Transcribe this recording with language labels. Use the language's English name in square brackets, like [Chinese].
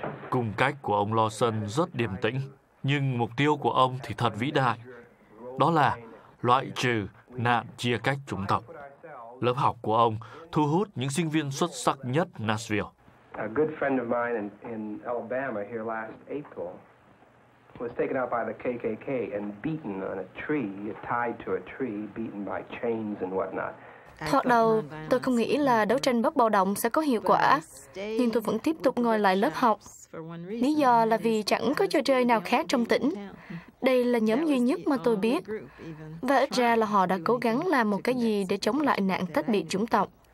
[Vietnamese] Cùng cách của ông Lawson rất điềm tĩnh, nhưng mục tiêu của ông thì thật vĩ đại. Đó là loại trừ nạn chia cách chủng tộc. Lớp học của ông thu hút những sinh viên xuất sắc nhất Nashville. [English] A good friend of mine in Alabama here last April was taken out by the KKK and beaten on a tree, tied to a tree, beaten by chains and whatnot. [Vietnamese] Thoạt đầu, tôi không nghĩ là đấu tranh bất bạo động sẽ có hiệu quả, nhưng tôi vẫn tiếp tục ngồi lại lớp học. Lý do là vì chẳng có trò chơi nào khác trong tỉnh. Đây là nhóm duy nhất mà tôi biết, và ít ra là họ đã cố gắng làm một cái gì để chống lại nạn tách biệt chủng tộc.